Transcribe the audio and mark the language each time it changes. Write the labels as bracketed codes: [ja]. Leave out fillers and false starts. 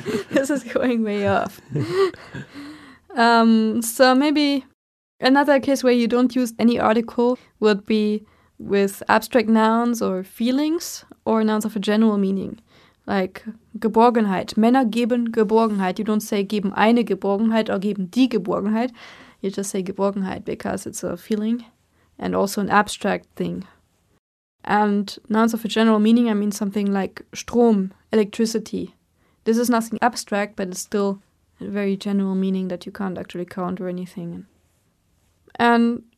[en] This is going way off. So maybe another case where you don't use any article would be with abstract nouns or feelings or nouns of a general meaning, like Geborgenheit. [de] Männer geben Geborgenheit. [en] You don't say [de] geben eine Geborgenheit [en] or [de] geben die Geborgenheit. [en] You just say Geborgenheit because it's a feeling and also an abstract thing. And nouns of a general meaning, I mean something like Strom, electricity. This is nothing abstract, but it's still a very general meaning that you can't actually count or anything. And